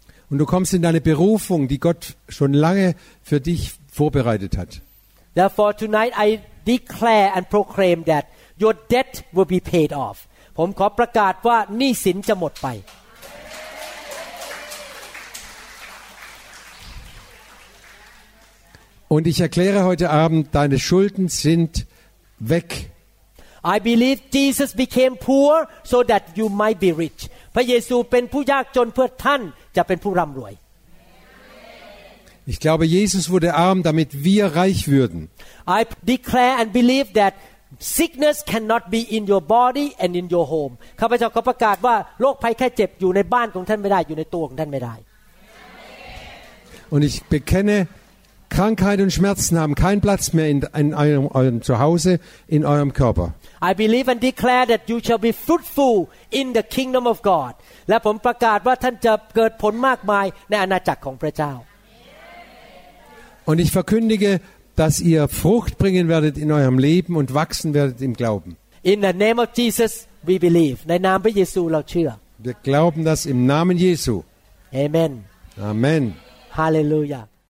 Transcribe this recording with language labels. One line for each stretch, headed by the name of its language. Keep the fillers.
German: Und du kommst in deine Berufung, die Gott schon lange für dich vorbereitet hat.
English: Therefore, tonight I declare and proclaim that your debt will be paid off.
Thai: ผมขอประกาศว่าหนี้สินจะหมดไป
German: Und ich erkläre heute Abend, deine Schulden sind weg.
English: I believe Jesus became poor so that you might be rich.
Thai: พระเยซูเป็นผู้ยากจนเพื่อท่านจะเป็นผู้ร่ำรวย
German: Ich glaube Jesus wurde arm damit wir reich würden.
English: I declare and believe that sickness cannot be in your body and in your home.
Thai: ข้าพเจ้าขอประกาศว่าโรคภัยแค่เจ็บอยู่ในบ้านของท่านไม่ได้อยู่ในตัวของท่านไม่ได้
German: Und ich bekenne Krankheit und Schmerzen haben keinen Platz mehr in, in, eurem, in, eurem, Zuhause, in eurem Körper.
English: I believe and declare that you shall in the kingdom of God.
Thai: และผมประกาศว่าท่านจะเกิดผลมากมายในอาณาจักรของพระเจ้า
German: Und ich verkündige, dass ihr Frucht bringen werdet in eurem Leben und wachsen werdet im Glauben. In the Namen Jesus, name Jesus, Wir glauben das im Namen Jesu. Amen. Amen. Hallelujah.